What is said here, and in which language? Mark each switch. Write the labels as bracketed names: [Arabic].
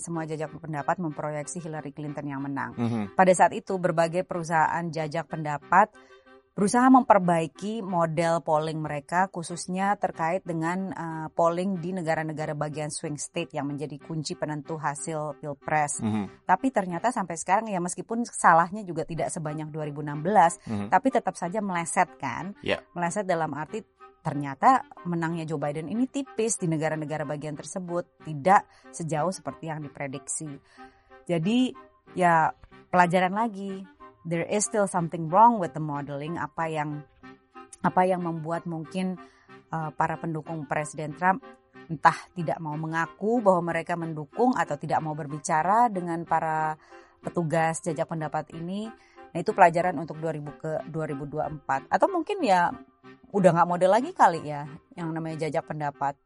[Indonesian] Semua jajak pendapat memproyeksi Hillary Clinton yang menang. Pada saat itu berbagai perusahaan jajak pendapat berusaha memperbaiki model polling mereka, khususnya terkait dengan polling di negara-negara bagian swing state yang menjadi kunci penentu hasil pilpres. Tapi ternyata sampai sekarang ya, meskipun salahnya juga tidak sebanyak 2016, tapi tetap saja meleset kan. Meleset dalam arti ternyata menangnya Joe Biden ini tipis di negara-negara bagian tersebut, tidak sejauh seperti yang diprediksi. Jadi ya pelajaran lagi, [English] there is still something wrong with the modeling. [Indonesian] Apa yang membuat mungkin para pendukung Presiden Trump entah tidak mau mengaku bahwa mereka mendukung atau tidak mau berbicara dengan para petugas jajak pendapat ini. Nah itu pelajaran untuk 2024. Atau mungkin ya udah gak model lagi kali ya, yang namanya jajak pendapat.